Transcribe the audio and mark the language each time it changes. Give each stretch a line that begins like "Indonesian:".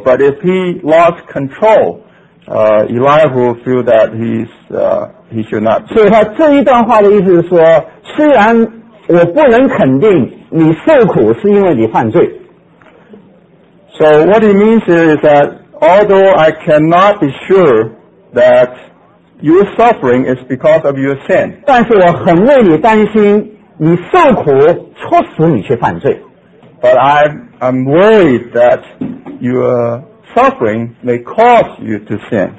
English: But if he lost control, Elihu feel that he should not.
Chinese: 所以他这一段话的意思是说，虽然我不能肯定你受苦是因为你犯罪。
English: So what he means is that although I cannot be sure that your suffering is because of your sin,
Chinese: 但是我很为你担心，你受苦促使你去犯罪。
English: But I'm worried that your suffering may cause you to sin.